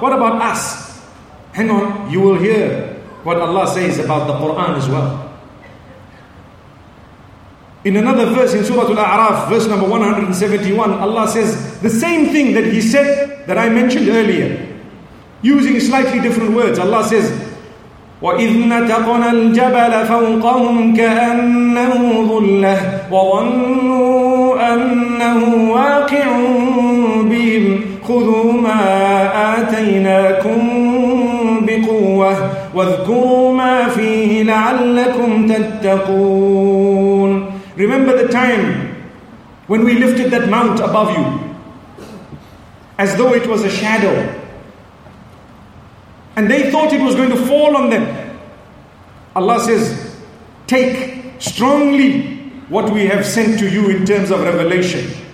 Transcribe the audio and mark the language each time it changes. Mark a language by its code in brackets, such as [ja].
[en] What about us? Hang on, you will hear what Allah says about the Quran as well. In another verse in Surah Al-A'raf, verse number 171, Allah says the same thing that He said that I mentioned earlier, using slightly different words. Allah says, [ar] وَإِذْ نَتَقْنَا الْجَبَلَ فَوْقَهُمْ كَأَنَّهُ ظُلَّةٌ وَظَنُّوا أَنَّهُ وَاقِعٌ بِهِمْ خُذُوا مَا آتَيْنَاكُمْ بِقُوَّةٍ وَاذْكُرُوا مَا فِيهِ لَعَلَّكُمْ تَتَّقُونَ. [en] Remember the time when we lifted that mount above you as though it was a shadow. And they thought it was going to fall on them. Allah says, take strongly what we have sent to you in terms of revelation.